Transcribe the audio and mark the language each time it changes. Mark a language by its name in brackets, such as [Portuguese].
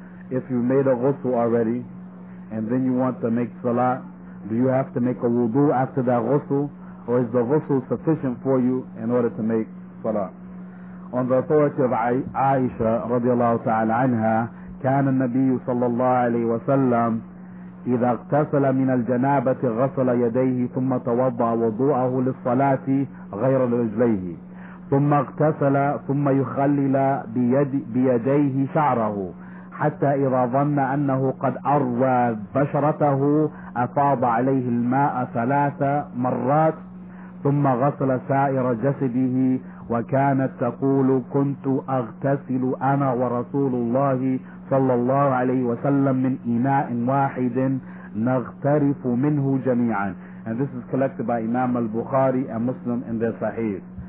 [English] If you made a ghusl already and then you want to make salah, do you have to make a wudu after that ghusl, or is the ghusl sufficient for you in order to make salah? On the authority of Aisha radiallahu ta'ala anha, [Arabic] كان النبي صلى الله عليه وسلم إذا اغتسل من الجنابة غسل يديه ثم توضأ وضوءه للصلاة غير لرجليه، ثم اغتسل ثم يخلل بيديه شعره حتى إذا ظن أنه قد أروى بشرته أفاض عليه الماء 3 مرات، ثم غسل سائر جسده. وكانت تقول: كنت أغتسل أنا ورسول الله صلى الله عليه وسلم من إناء واحد نغترف منه جميعا. [English] And this is collected by Imam al-Bukhari and Muslim in their Sahih.